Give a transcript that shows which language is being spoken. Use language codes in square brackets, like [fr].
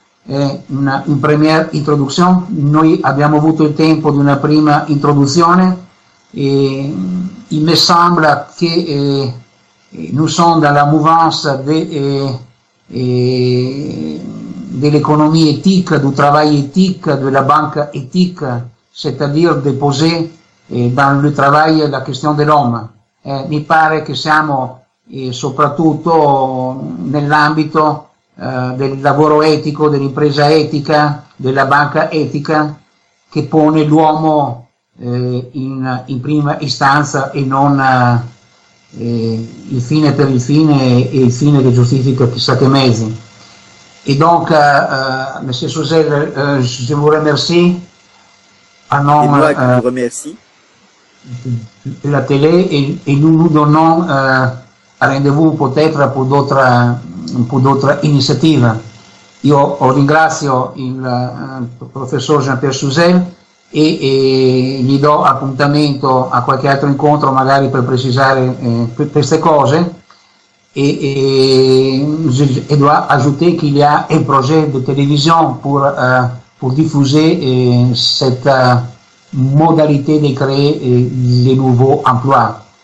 [fr] Una première introduction, [it] noi abbiamo avuto il tempo di una prima introduzione e il me sembra che [fr] nous sommes dans la mouvance de l'économie éthique, du travail éthique, de la banque éthique, c'est-à-dire déposer dans le travail la question de l'homme. [it] Mi pare che siamo soprattutto nell'ambito del lavoro etico, dell'impresa etica, della banca etica che pone l'uomo in prima istanza e non il fine per il fine e il fine che giustifica chissà che mezzi. [fr] E donc, Monsieur Souzel, je vous remercie à nom de la télé et nous nous donnons rendez-vous peut-être pour d'autres. [it] Un po' d'altra iniziativa. Io ringrazio il professor Jean-Pierre Souzel e gli do appuntamento a qualche altro incontro magari per precisare queste cose e [fr] je dois ajouter qu'il y a un projet de télévision pour diffuser cette modalité de créer les nouveaux emplois.